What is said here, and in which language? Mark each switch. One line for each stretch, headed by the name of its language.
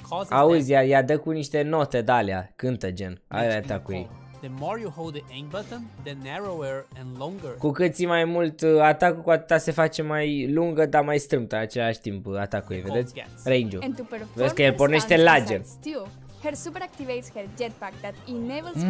Romanian: Auzi, ea dă cu niște note de alea, cântă gen. Aia ta cu ei.
English: The more you hold the aim button, the narrower and longer.
Romanian: Cu cât ții mai mult atacul, cu atâta se face mai lungă, dar mai strâmtă același timp atacul ei, vedeți? Range-ul. Vezi că el pornește lager.
English: Her super activates her jetpack that enables her.